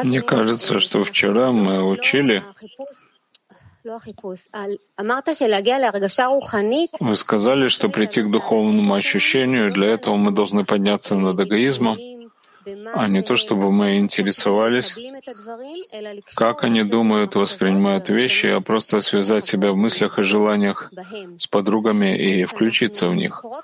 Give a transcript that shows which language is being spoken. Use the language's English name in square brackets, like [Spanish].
[Hebrew] אני [Russian] кажется, что вчера мы учили... [Hebrew] לא החיפוש. אמרת שלהגיע להרגשה רוחנית... [Russian] Вы сказали, что прийти к духовному ощущению, для этого мы должны подняться над эгоизмом, а не то, чтобы мы интересовались, как они думают, воспринимают вещи, а просто связать себя в мыслях и желаниях с подругами и включиться в них.